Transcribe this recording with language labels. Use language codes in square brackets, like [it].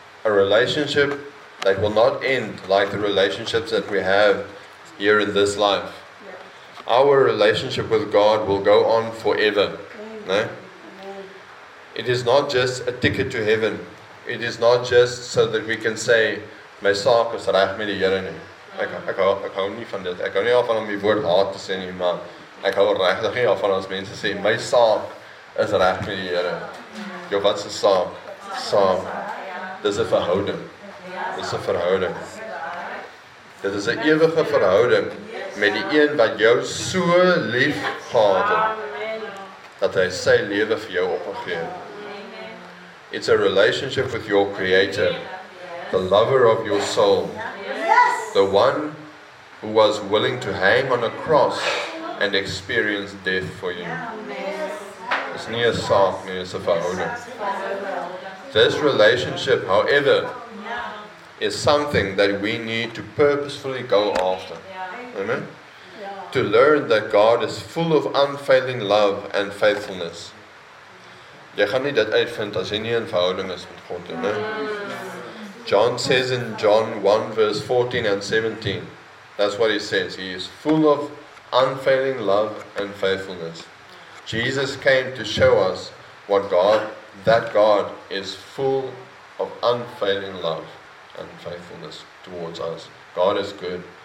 [en] A relationship that will not end like the relationships that we have here in this life. Yeah. Our relationship with God will go on forever. Yeah. It is not just a ticket to heaven. It is not just so that we can say, [af] my saak is reg met die Here nie. Ek hou nie van dit. Ek hou nie af van om die woord haat te sê nie, maar ek hou regtig nie af van as mense sê, my saak is reg met die Here. Jou wat se saak? Saak. Dis 'n verhouding. Dis 'n verhouding. Dit is 'n ewige verhouding met die een wat jou so lief gehad het, dat hy sy lewe vir jou opgegee het. [en] It's a relationship with your Creator, the lover of your soul, the one who was willing to hang on a cross and experience death for you. It's [af] nie 'n saak nie, [en] it's [af] 'n verhouding. [en] This relationship, however, is something that we need to purposefully go after. Amen? To learn that God is full of unfailing love and faithfulness. [af] Jy gaan nie dit uitvind as jy nie in verhouding is met God nie. [en] John says in John 1 verse 14 and 17, that's what he says, he is full of unfailing love and faithfulness. Jesus came to show us that God is full of unfailing love and faithfulness towards us. God is good.